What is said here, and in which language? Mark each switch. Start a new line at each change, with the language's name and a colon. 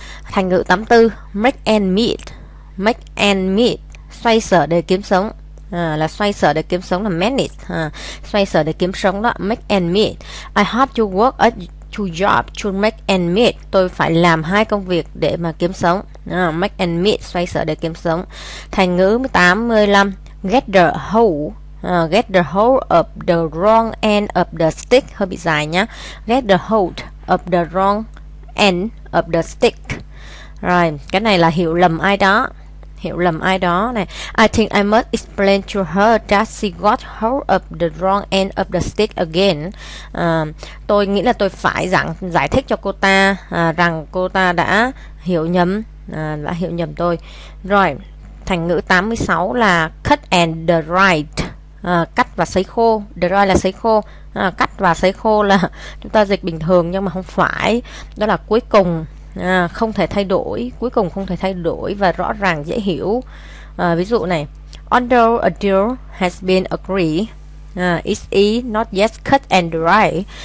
Vietnamese: Thành ngữ 84,
English: make ends meet. Make ends meet,
Vietnamese: xoay sở để kiếm sống. Là xoay sở để kiếm sống là manage. Xoay sở để kiếm sống đó,
English: make ends meet. I have to work at two jobs to make ends meet.
Vietnamese: Tôi phải làm hai công việc để mà kiếm sống.
English: Make ends meet,
Vietnamese: xoay sở để kiếm sống. Thành ngữ 85,
English: get the hole. Get the hold of the wrong end of the stick.
Vietnamese: Hơi bị dài nhá.
English: Get the hold of the wrong end of the stick.
Vietnamese: Rồi, cái này là hiểu lầm ai đó. Hiểu lầm ai đó này.
English: I think I must explain to her that she got hold of the wrong end of the stick again.
Vietnamese: Tôi nghĩ là tôi phải giải thích cho cô ta rằng cô ta đã hiểu nhầm tôi. Rồi, thành ngữ 86 là
English: cut and dried.
Vietnamese: Cắt và sấy khô, dry là sấy khô, cắt và sấy khô là chúng ta dịch bình thường nhưng mà không phải, đó là cuối cùng, không thể thay đổi, cuối cùng không thể thay đổi và rõ ràng dễ hiểu. Ví dụ này,
English: although a deal has been agreed, it is not yet cut and dry.